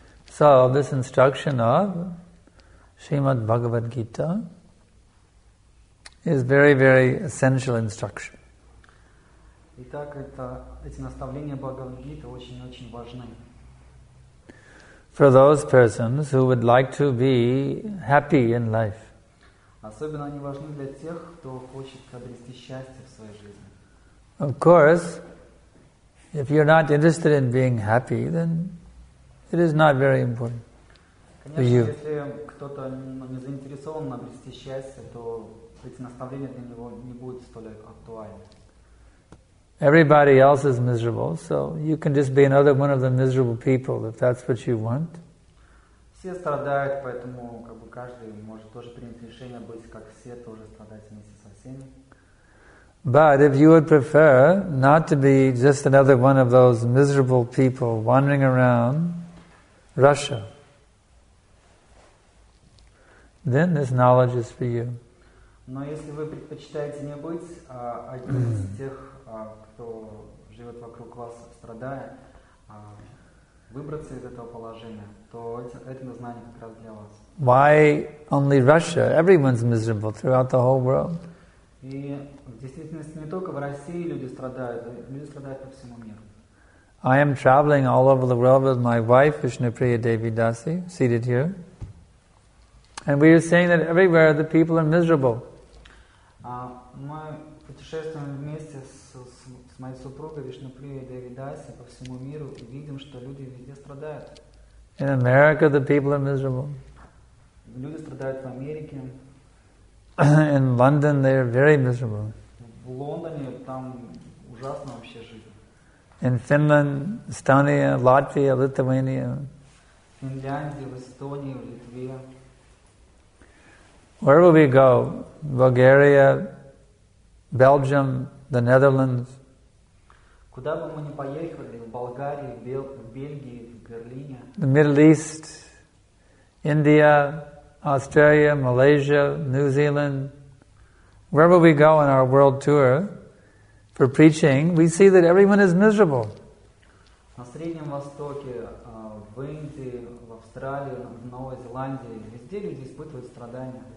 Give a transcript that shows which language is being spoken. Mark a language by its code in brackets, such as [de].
[en] So, this instruction of Srimad Bhagavad Gita is very, very essential instruction. [ru] Итак, эти наставления Бхагавад Гиты очень, очень важны. [en] For those persons who would like to be happy in life. [ru] Особенно они важны для тех, кто хочет обрести счастье в своей жизни. [en] Of course, if you're not interested in being happy, then it is not very important for you. [ru] Конечно, если кто-то не заинтересован обрести счастье, то эти наставления для него не будут столь актуальны. [en] Everybody else is miserable, so you can just be another one of the miserable people if that's what you want. [ru] Все страдают, поэтому как бы каждый может тоже принять решение быть как все, тоже страдать вместе со всеми. [en] But if you would prefer not to be just another one of those miserable people wandering around Russia, then this knowledge is for you. [ru] Но если вы предпочитаете не быть одним из тех, кто живет вокруг вас, страдая, выбраться из этого положения, то это знание как раз для вас. [en] Why only Russia? Everyone's miserable throughout the whole world. [ru] И в действительности не только в России люди страдают, люди страдают по всему миру. [en] I am traveling all over the world with my wife, Vishnupriya Devi Dasi, seated here. And we are saying that everywhere the people are miserable. [ru] Мы путешествуем вместе с моей супругой Вишнуприей Деви Даси по всему миру и видим, что люди везде страдают. [en] In America the people are miserable. [ru] Люди страдают в Америке. [en] In London they're very miserable. [ru] В Лондоне там ужасно вообще жить. [en] In Finland, Estonia, Latvia, Lithuania. [ru] В Финляндии, в Эстонии, в Литве. [en] Where will we go? Bulgaria, Belgium, the Netherlands. [ru] Куда бы мы ни поехали, в Болгарии, в Бельгии, в Берлине. [en] The Middle East, India, Australia, Malaysia, New Zealand. Where will we go on our world tour for preaching? We see that everyone is miserable. [ru] На Среднем Востоке, в Индии, в Австралии, в Новой Зеландии, везде люди испытывают страдания.